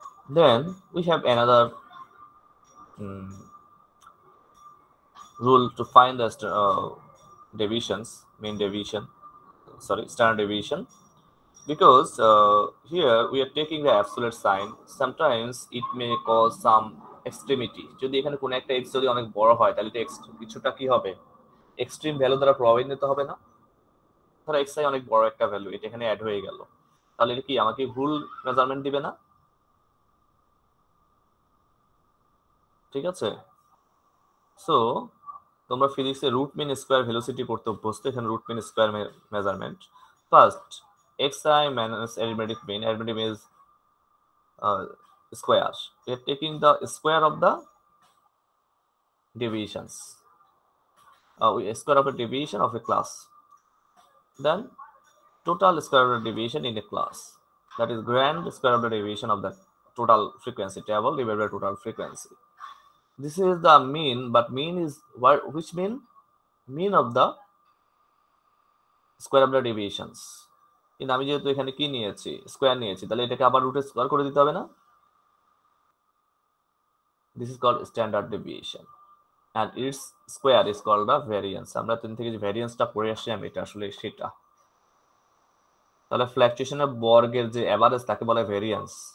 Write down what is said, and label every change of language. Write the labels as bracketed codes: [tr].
[en] Then we have another rule to find the deviations, mean deviation, sorry, standard deviation. Because here we are taking the absolute sign, sometimes it may cause some extremity. [bn] যদি এখানে কোন একটা x যদি অনেক বড় হয় তাহলে তো কিছুটা কি হবে এক্সট্রিম ভ্যালু দ্বারা প্রভাবিত হবে না? ধরো x আই অনেক বড় একটা ভ্যালু এটা এখানে অ্যাড হয়ে গেল, তাহলে কি আমাকে ভুল মেজারমেন্ট দিবে না? ঠিক আছে, সো তোমরা ফিজিক্সে রুট মিন স্কয়ার ভেলোসিটি পড়তে অভ্যস্ত, এখানে root mean square measurement first [en] xi minus arithmetic mean, arithmetic mean is square. We are taking the square of the deviations, square of a deviation of a class, then total square of the deviation in a class, that is grand square of the deviation of the total frequency table divided by total frequency. This is the mean, but mean is what, which mean? Mean of the square of the deviations. [bn] কিন্তু আমি যেহেতু এখানে কি নিয়েছি square নিয়েছি, তাহলে এটাকে আবার রুটে স্কোয়ার করে দিতে হবে না? [en] This is called standard deviation and its square is called the variance. [bn] আমরা তিন থেকে যে ভ্যারিয়েন্সটা পড়ে আসি আমি এটা আসলে সেটা, তাহলে ফ্ল্যাকচুয়েশনের বর্গের যে অ্যাভারেজ তাকে বলে ভ্যারিয়েন্স।